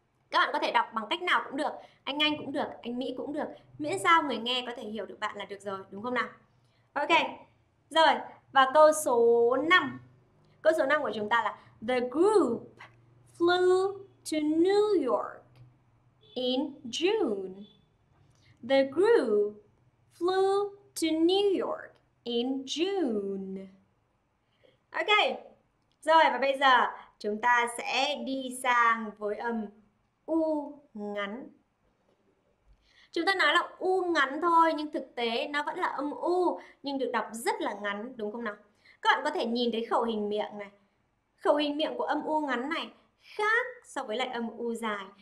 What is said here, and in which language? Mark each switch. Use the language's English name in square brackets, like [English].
[Vietnamese] Các bạn có thể đọc bằng cách nào cũng được. Anh cũng được, anh Mỹ cũng được. Miễn sao người nghe có thể hiểu được bạn là được rồi, đúng không nào? Ok, rồi. Và câu số 5. Câu số 5 của chúng ta là [English] the group flew to New York in June. The group flew to New York in June. [Vietnamese] Ok, rồi và bây giờ chúng ta sẽ đi sang với âm U ngắn. Chúng ta nói là U ngắn thôi nhưng thực tế nó vẫn là âm U nhưng được đọc rất là ngắn đúng không nào? Các bạn có thể nhìn thấy khẩu hình miệng này. Khẩu hình miệng của âm U ngắn này khác so với lại âm U dài.